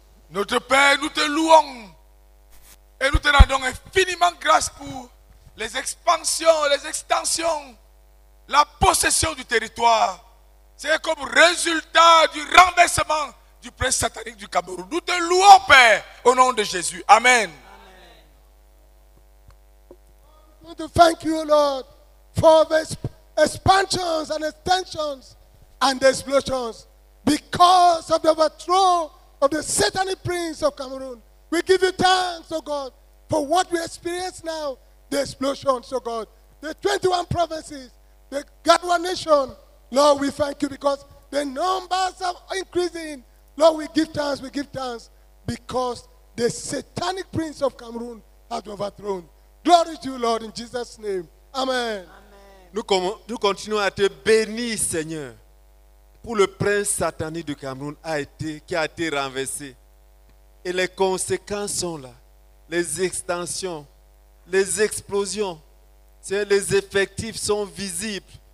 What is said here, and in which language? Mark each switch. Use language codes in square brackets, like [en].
[fr] Notre Père, nous te louons et nous te rendons infiniment grâce pour les expansions, les extensions, la possession du territoire. C'est comme résultat du renversement du prince satanique du Cameroun. Nous te louons, Père, au nom de Jésus. Amen. Amen. [en] We thank you, Lord, for the expansions and extensions and explosions because of the overthrow of the satanic prince of Cameroon. We give you thanks, oh God, for what we experience now, the explosions, oh God. The 21 provinces, the Garoua nation, Lord, we thank you because the numbers are increasing. Lord, we give thanks because the satanic prince of Cameroon has overthrown. Glory to you, Lord, in Jesus' name. Amen. [fr] Nous continuons à te bénir, Seigneur, pour le prince satanique du Cameroun qui a été renversé. Et les conséquences sont là. Les extensions, les explosions, Seigneur, les effectifs sont visibles.